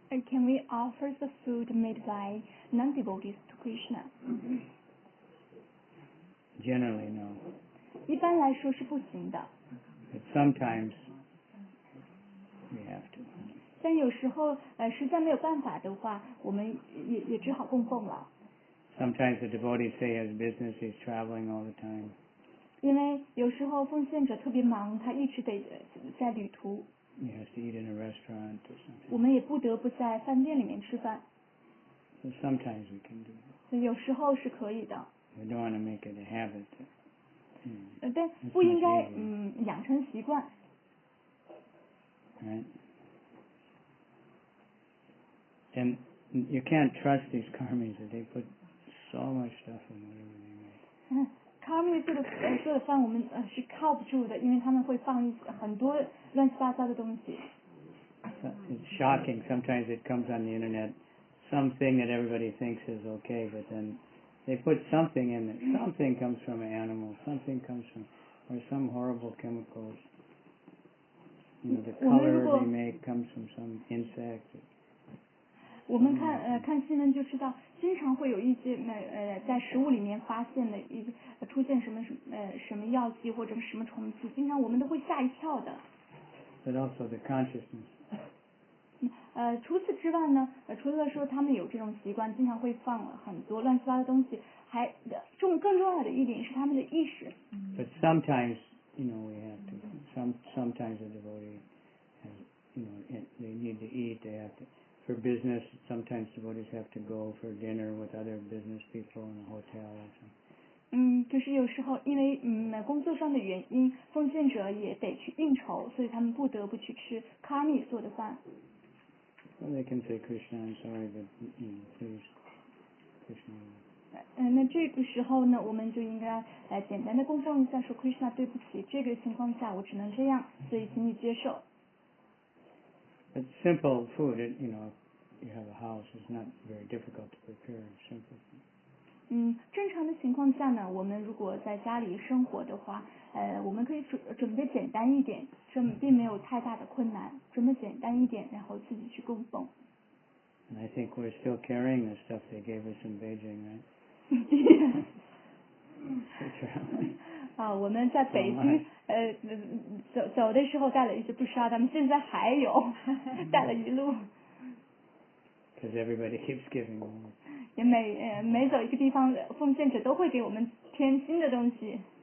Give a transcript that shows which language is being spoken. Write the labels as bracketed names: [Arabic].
[English] Can we offer the food made by non-devotees to Krishna? Generally, no. [Chinese] 一般来说是不行的。 [English] But sometimes. We have to. [Chinese] 像有时候实在没有办法的话，我们也只好供奉了。 [English] Sometimes the devotee say he has business, he's traveling all the time. [Chinese] 因为有时候奉献者特别忙，他一直得在旅途。 [English] He has to eat in a restaurant or something. [Chinese] 我们也不得不在饭店里面吃饭。 [English] So sometimes we can do. [Chinese] 有时候是可以的。 [English] We don't want to make it a habit. [Chinese] 但不应该养成习惯。 [English] Right. And you can't trust these karmis that they put so much stuff in whatever they make. [Chinese] Karmis 做的饭我们是靠不住的，因为他们会放很多乱七八糟的东西。 [English] It's shocking. Sometimes it comes on the internet, something that everybody thinks is okay, but then they put something in it. Something comes from an animal. Something comes from or some horrible chemicals. You know, the color they make comes from some insect. [Chinese] 我们看看新闻就知道，经常会有一些在食物里面发现的出现什么药剂或者什么虫子，经常我们都会吓一跳的。 [English] But also the consciousness. [Chinese] 除此之外呢，除了说他们有这种习惯，经常会放很多乱七八糟的东西，还更重要的一点是他们的意识。 [English] But sometimes, you know, we have to. Sometimes the devotee has, you know, they need to eat. They have to for business. Sometimes devotees have to go for dinner with other business people in a hotel or something. [Chinese] 就是有时候因为工作上的原因，奉献者也得去应酬，所以他们不得不去吃卡米做的饭。 [English] Well, they can say Krishna, I'm sorry, but please, Krishna. [Chinese] 那这个时候呢，我们就应该来简单的供奉一下，说 Krishna, 对不起，这个情况下我只能这样，所以请你接受。 [English] But simple food, you know, you have a house, it's not very difficult to prepare simple food. [Chinese] 正常的情况下呢，我们如果在家里生活的话，我们可以准备简单一点，这并没有太大的困难，准备简单一点，然后自己去供奉。 [English] And I think we're still carrying the stuff they gave us in Beijing, right? Yeah. [Chinese] 我们在北京、走的时候带了一些不杀，咱们现在还有，带了一路。 [English] Because everybody keeps giving them. [Chinese] 也每走一个地方，奉献者都会给我们添新的东西。